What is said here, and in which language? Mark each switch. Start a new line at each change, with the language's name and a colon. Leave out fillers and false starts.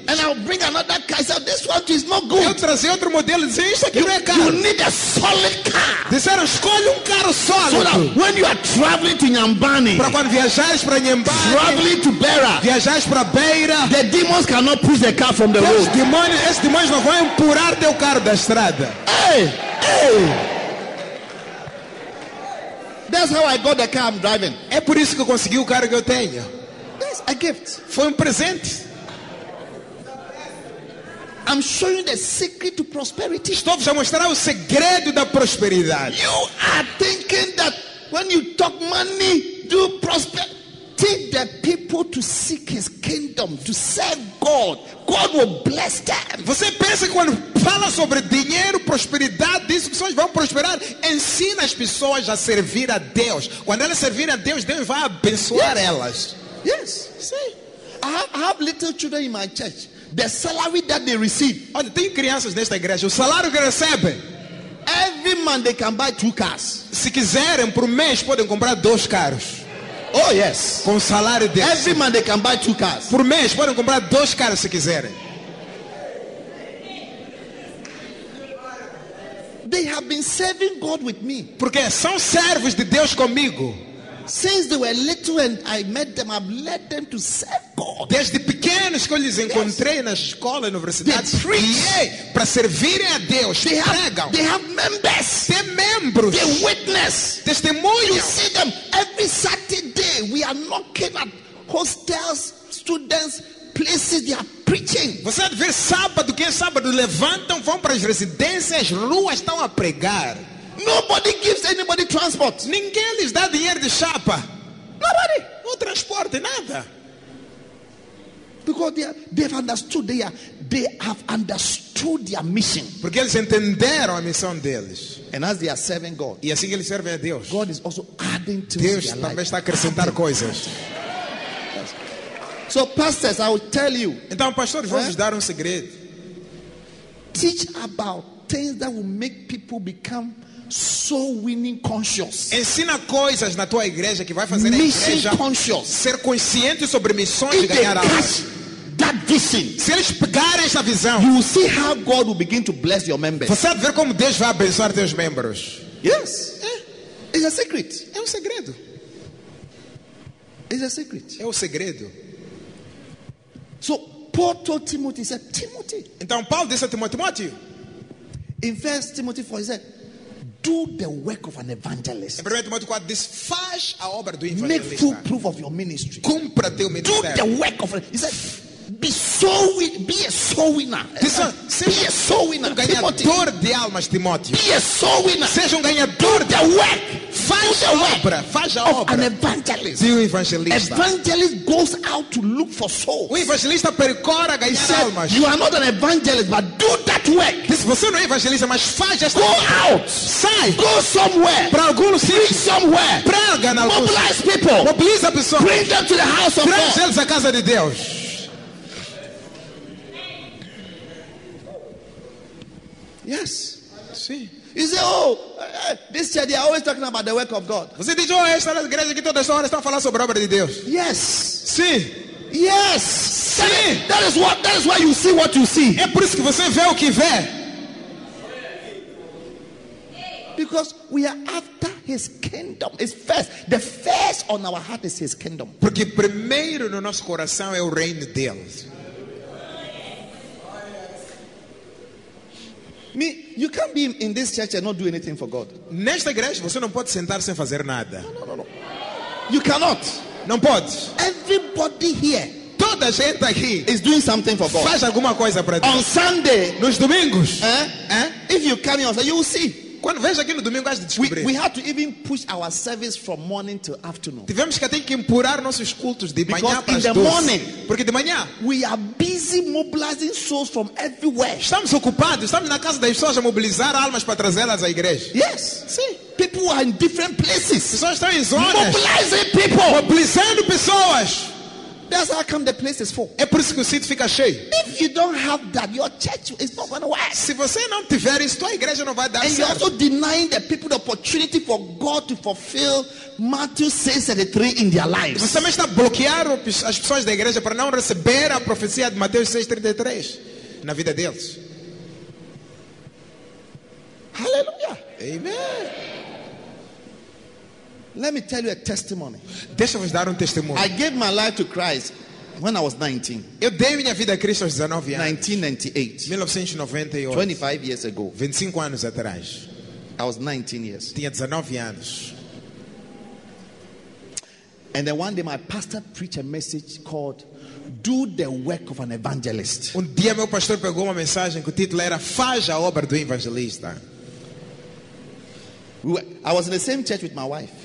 English: And I'll bring another car. I said, this one too is not good.
Portuguese: Eu trazer outro modelo. Dizer, isso aqui
English: you,
Portuguese: não é caro.
English: You need a solid car.
Portuguese: Disseram, escolhe carro sólido.
English: So that when you are traveling to Nyambani,
Portuguese: para quando viajares para Nyambani,
English: traveling to Beira,
Portuguese: viajares para Beira,
English: the demons cannot push the car from the road.
Portuguese: Esses demônios não vão empurrar teu carro da estrada. Hey!
English: That's how I got the car I'm driving.
Portuguese: É por isso que eu consegui o carro que eu tenho.
English: A gift.
Portuguese: Foi presente.
English: I'm showing you the secret to prosperity.
Portuguese: Estou a mostrar o segredo da prosperidade.
English: You are thinking that when you talk money, do prosper. Take the people to seek His kingdom, to serve God. God will bless them.
Portuguese: Você pensa que quando fala sobre dinheiro, prosperidade, diz que as pessoas vão prosperar. Ensina as pessoas a servir a Deus. Quando elas servirem a Deus, Deus vai abençoar elas.
English: Yes, see, I have little children in my church. The salary that they receive.
Portuguese: Olha, tem crianças nesta igreja. O salário que recebem.
English: Every month they can buy 2 cars.
Portuguese: Se quiserem, por mês podem comprar 2 carros.
English: Oh yes.
Portuguese: Com salário desse.
English: Every month they can buy 2 cars.
Portuguese: Por mês podem comprar 2 carros se quiserem.
English: They have been serving God with me.
Portuguese: Porque são servos de Deus comigo.
English: Since they were little and I met them, I've led them to serve God.
Portuguese: Desde pequenos que eu lhes encontrei na escola, na universidade,
English: they preach.
Portuguese: Para servirem a Deus,
English: they have,
Portuguese: pregam.
English: They have members.
Portuguese: Tem membros.
English: They witness.
Portuguese: Testemunham.
English: You see them every Saturday. We are knocking at hostels, students, places they are preaching.
Portuguese: Você vê sábado que é sábado, levantam, vão para as residências, ruas, estão a pregar.
English: Nobody gives anybody transport.
Portuguese: Ninguém lhes dá dinheiro de chapa.
English: Nobody.
Portuguese: Não transporte nada.
English: Because they've understood they have understood their mission.
Portuguese: Porque eles entenderam a missão deles.
English: And as they are serving God.
Portuguese: E assim que eles servem a Deus.
English: God is also adding to
Portuguese: Deus
English: their
Portuguese: também
English: life.
Portuguese: Está a acrescentar adding. Coisas.
English: Yes. So pastors, I will tell you.
Portuguese: Então pastores, vou lhes dar segredo.
English: Teach about things that will make people become so winning conscious.
Portuguese: Ensina coisas na tua igreja que vai fazer
English: mission
Portuguese: a igreja
English: conscious.
Portuguese: Ser consciente sobre missões e ganhar almas.
English: That vision,
Portuguese: se eles pegarem essa visão,
English: you will see how God will begin to bless your members.
Portuguese: Você vai ver como Deus vai abençoar teus membros.
English: Yes.
Portuguese: É.
English: It's a secret.
Portuguese: É um segredo.
English: It's a secret.
Portuguese: É um segredo.
English: So Paul told Timothy, he said, Timothy.
Portuguese: Então Paulo disse a Timóteo.
English: In 1 Timothy 4, he said, do the work of an evangelist.
Portuguese: Em 1 Timóteo 4 diz, faz a obra do evangelista.
English: Make full proof of your ministry.
Portuguese: Cumpra teu ministério.
English: Do the work of. He said, be a soul winner.
Portuguese: Disse, seja
English: a soul winner.
Portuguese: Um ganhador de almas, Timóteo.
English: Be a soul winner.
Portuguese: Seja um ganhador
English: de work.
Portuguese: Faz a obra. Faz a obra.
English: An evangelist.
Portuguese: De evangelista.
English: Evangelist goes out to look for souls.
Portuguese: O evangelista percorre a ganhar almas.
English: You are not an evangelist, but do that work.
Portuguese: Disse, você não é evangelista, mas faz esta
English: go
Portuguese: obra.
English: Out.
Portuguese: Sai.
English: Go somewhere.
Portuguese: Para algum sítio.
English: Preach somewhere.
Portuguese: Prega em algum
English: sítio. Mobilize people.
Portuguese: Mobiliza pessoas.
English: Bring them to the house of
Portuguese: traz
English: God.
Portuguese: Traz eles à casa de Deus.
English: Yes. See. You say, oh, this church, they are always talking about the work of God.
Portuguese: Você diz, oh, esta igreja aqui toda hora está falando sobre a obra de Deus.
English: Yes. See. Yes. See. That is why you see what you see.
Portuguese: É por isso que você vê o que vê.
English: Because we are after His kingdom. It's first. The first on our heart is His kingdom.
Portuguese: Porque primeiro no nosso coração é o reino de Deus.
English: Me, you can't be in this church and not do anything for God.
Portuguese: Nesta igreja você não pode sentar sem fazer nada.
English: No. You cannot.
Portuguese: Não pode.
English: Everybody here.
Portuguese: Tô toda a gente aqui
English: is doing something for God.
Portuguese: Faz alguma coisa para Deus.
English: On Sunday,
Portuguese: nos domingos,
English: if you come on Sunday, you will see.
Portuguese: Quando vejo aqui no domingo, acho de descobrir.
English: We had to even push our service from morning to afternoon.
Portuguese: Tivemos que até que empurrar nossos cultos de manhã para as 12.
English: In the morning,
Portuguese: porque de manhã,
English: we are busy mobilizing souls from everywhere.
Portuguese: Estamos ocupados, estamos na casa das pessoas a mobilizar almas para trazê-las à igreja.
English: Yes,
Portuguese: sim.
English: People are in different places.
Portuguese: Pessoas estão em zonas.
English: Mobilizing people.
Portuguese: Mobilizando pessoas.
English: That's how come the place is full.
Portuguese: É por isso que o sítio fica cheio.
English: If you don't have that, your church is not going to work.
Portuguese: Se você não tiver isso, tua igreja não vai dar
English: and
Portuguese: certo.
English: And you're also denying the people the opportunity for God to fulfill Matthew 6:33 in their lives.
Portuguese: Você também está bloqueando as pessoas da igreja para não receber a profecia de Mateus 6:33 na vida deles. Hallelujah. Amen.
English: Let me tell you a testimony.
Portuguese: Deixa eu dar testemunho.
English: I gave my life to Christ when I was 19.
Portuguese: Eu dei minha vida a Cristo aos 19 anos.
English: 1998. 25 years ago.
Portuguese: 25 anos atrás.
English: I was 19 years.
Portuguese: Tinha 19 anos.
English: And then one day my pastor preached a message called "Do the Work of an Evangelist."
Portuguese: Um dia meu pastor pegou uma mensagem que o título era "Faz a obra do evangelista."
English: I was in the same church with my wife.